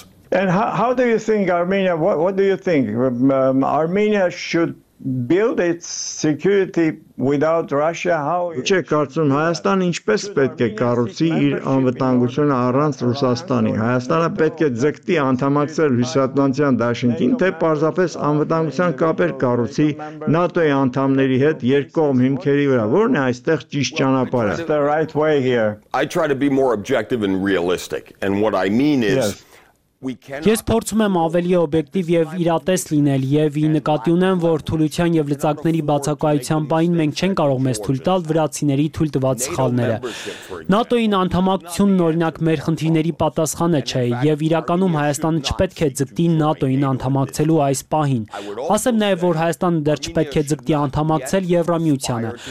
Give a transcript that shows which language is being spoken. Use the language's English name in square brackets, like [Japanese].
[English] And how do you think Armenia, what do you think Armenia should build its security without Russia, how [Armenian] ի՞նչ է կարծում Հայաստանը, ինչպես պետք է կառուցի իր անվտանգությունը առանց Ռուսաստանի։ Հայաստանը պետք է ձգտի անդամակցել Հյուսիսատլանտյան Դաշնքին, թե պարզապես անվտանգության կապեր կառուցի ՆԱՏՕ-ի անդամների հետ երկկողմ հիմքերի վրա։ Որն է այստեղ ճիշտ ճանապարհը։ [English] I try to be more objective and realistic, and what I mean is [Armenian] ես փորձում եմ ավելի օբյեկտիվ եւ իրատես լինել եւ ի նկատի ունեմ, որ թուլության եւ լծակների բացակայության պայն մենք չենք կարող մեզ թույլ տալ վրացիների թույլ տված սխալները։ ՆԱՏՕ-ին անդամակցությունն օրինակ մեր խնդիրների պատասխանը չէ եւ իրականում Հայաստանը չպետք է ձգտի ՆԱՏՕ-ին անդամակցելու այս պահին։ Ասեմ նաեւ, որ Հայաստանը դեռ չպետք է ձգտի անդամակցել Եվրամիությանը։